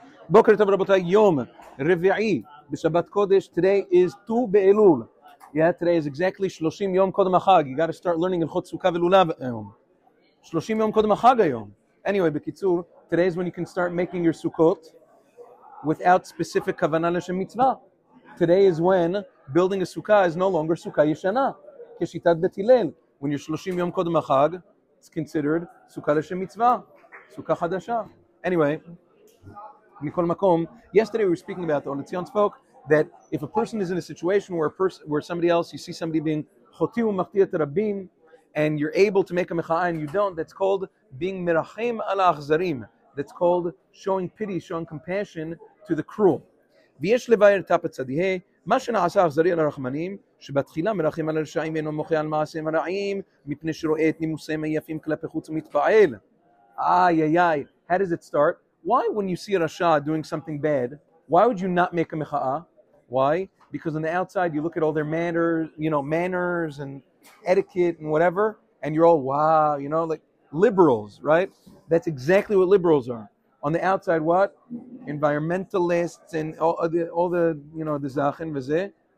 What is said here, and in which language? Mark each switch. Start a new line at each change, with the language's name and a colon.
Hebrew: בוקר טוב רבותיי, יום רביעי בשבת קודש.
English: Today is Tu Be'elul. Yeah, today is exactly 30
Hebrew: יום קודם החג.
English: You gotta start learning
Hebrew: הלכות סוכה ולולב היום.
English: 30
Hebrew: יום קודם החג היום.
English: Anyway, בקיצור, today is when you can start making your סוכות without specific
Hebrew: כוונה לשם מצווה.
English: Today is when building a סוכה is no longer
Hebrew: סוכה ישנה. כשיטת בית הלל.
English: When you're 30
Hebrew: יום קודם החג,
English: it's considered
Hebrew: סוכה לשם מצווה. סוכה חדשה.
English: Anyway,
Hebrew: מכל מקום,
English: yesterday we were speaking about the Onetzion spoke that if a person is in a situation where a person, where somebody else, you see somebody being
Hebrew: choti u'machti et rabim,
English: and you're able to make a mecha'a and you don't, that's called being
Hebrew: merachem ala achzarim.
English: That's called showing pity, showing compassion to the cruel.
Hebrew: V'yesh levayir tapet tzadihei, מה שנעשה אכזרי על הרחמנים, שבתחילה מרחם על הרשעים אינו מוכה על מעשיהם הרעים, מפני שרואה את נימוסיהם היפים כלפי חוץ ומתפעל.
English: איי, איי, איי. How does it start? Why when you see a rasha doing something bad, why would you not make a mecha'a? Why? Because on the outside you look at all their manners, you know, manners and etiquette and whatever, and you're all, wow, you know, like liberals, right? That's exactly what liberals are. On the outside, what? Environmentalists and all the, you know, the
Hebrew: zachen v'ze.